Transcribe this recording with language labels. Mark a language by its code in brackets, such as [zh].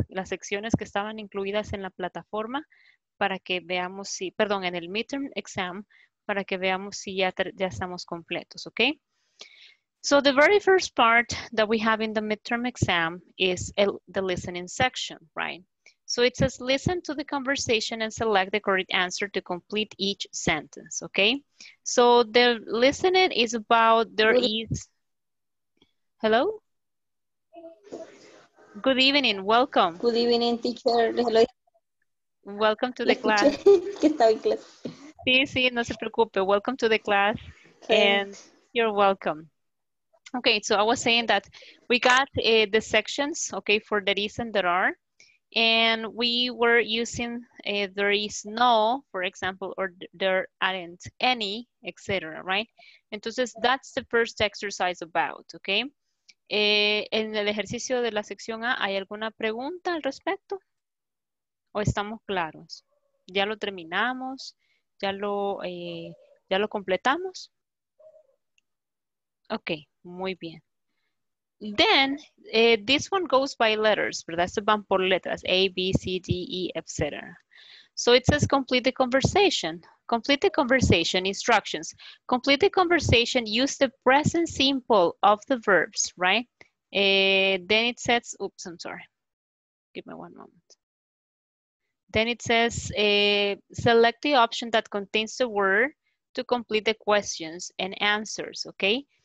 [es] Las secciones que estaban incluidas en la plataforma para que veamos si, perdón, en el midterm exam, para que veamos si ya estamos completos, okay? [en] So the very first part that we have in the midterm exam is the listening section, right? So it says, listen to the conversation and select the correct answer to complete each sentence, okay? So the listening is about there is, hello? Good evening, welcome. Good evening, teacher. Hello. Welcome to the class. [es] ¿Qué tal, class? Sí, sí, no se preocupe. [en] Welcome to the class. Okay. And you're welcome. Okay, so I was saying that we got the sections, okay, for there is and there are. And we were using there is no, for example, or there aren't any, etc., right? Entonces, that's the first exercise about, okay? [es] En el ejercicio de la sección A, ¿hay alguna pregunta al respecto? ¿O estamos claros? ¿Ya lo terminamos? ¿Ya lo completamos? [en] Ok, [es] muy bien. [en] Then, this one goes by letters, ¿verdad? [es] Estos van por letras, A, B, C, D, E, etc. [en] So it says complete the conversation. Complete the conversation instructions. Complete the conversation, use the present simple of the verbs, right? Then it says, oops, I'm sorry. Give me one moment. Then it says, select the option that contains the word to complete the questions and answers, okay?